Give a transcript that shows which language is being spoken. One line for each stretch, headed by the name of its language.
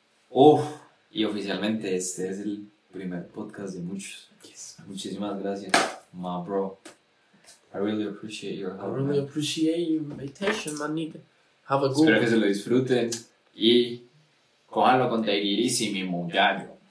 Spanish: Uf, y oficialmente este es el primer podcast de muchos.
English: Yes.
Spanish: Muchísimas gracias,
English: my bro. I really appreciate your help. I really appreciate your invitation, man. Have a good.
Spanish: Espero que se lo disfruten y cójanlo con tairirísimo, muchacho.